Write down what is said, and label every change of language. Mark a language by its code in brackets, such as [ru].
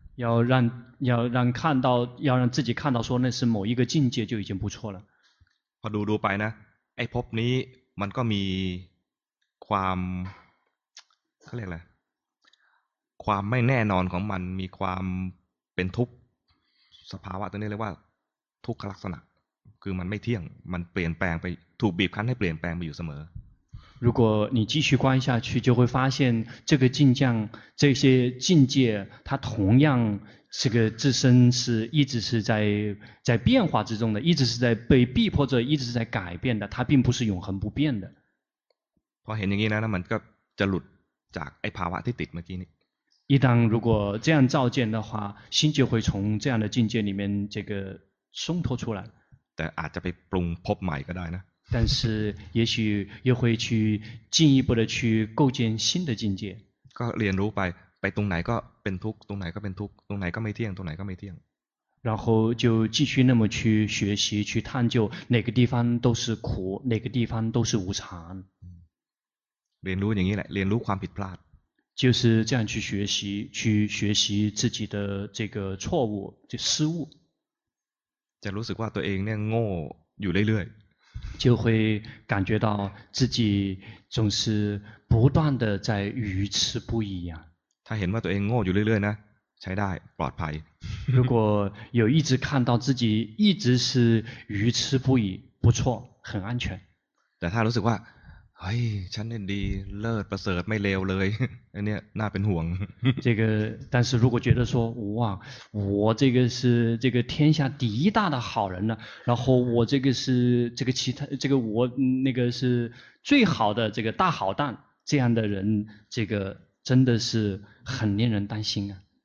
[zh] 要让看到要让自己看到说那是某一个境界就已经不错了 [th] พอดูไปนะไอ้พบนี้มันก็มีความเขาเรียกอะไรความไม่แน่นอนของมันมีความเป็นทุกข์สภาวะตัวนี้เรียกว่าทุกขลักษณะคือมันไม่เที่ยงมันเปลี่ยนแปลงไปถูกบีบคั้นให้เปลี่ยนแปลงไปอยู่เสม [zh] อ如果你继续观下去就会发现这个境界这些境界它同样这个自身是一直是在变化之中的一直是在被逼迫着一直在改变的它并不是永恒不变的 [th] พอเห็นอย่างนี้นะมันก็จะหลุดจากไอ้ภาวะที่ติดเมื่อกี้นี้ [zh] 一旦如果这样照见的话，心就会从这样的境界里面这个松脱出来。但 [th] อาจจะไปปรุงพบใหม่ก็ได้นะ。 [zh] 但是也许又会去进一步的去构建新的境界。 [th] ก็เรียนรู้ไปไปตรงไหนก็เป็นทุกข์ตรงไหนก็เป็นทุกข์ตรงไหนก็ไม่เที่ยงตรงไหนก็ไม่เที่ยง。 [zh] 然后就继续那么去学习去探究哪个地方都是苦哪个地方都是无常。 [th] เรียนรู้อย่างนี้แหละเรียนรู้ความผิดพลาด。 [zh] 就是这样去学习去学习自己的这个错误就失误。 [th] จะรู้สึกว่าตัวเองเนี่ยโง่อยู่เรื่อย。 [zh] 就会感觉到自己总是不断的在愚痴不已呀。他 [th] เห็นว่าตัวเองโง่อยู่เรื่อยๆนะใช้ได้ปลอดภัย。 [zh] 如果有一直看到自己一直是愚痴不已，不错，很安全。 [th] แต่ถ้ารู้สึกว่าเฮ้ยฉันเนี่ยดีเลิศประเสริฐไม่เลวเลยอันเนี้ยน่าเป็นห่วง。 [zh] 这个，但是如果觉得说哇，我这个是这个天下第一大的好人呢，然后我这个是这个其他这个我那个是最好的这个大好蛋，这样的人，这个真的是很令人担心啊。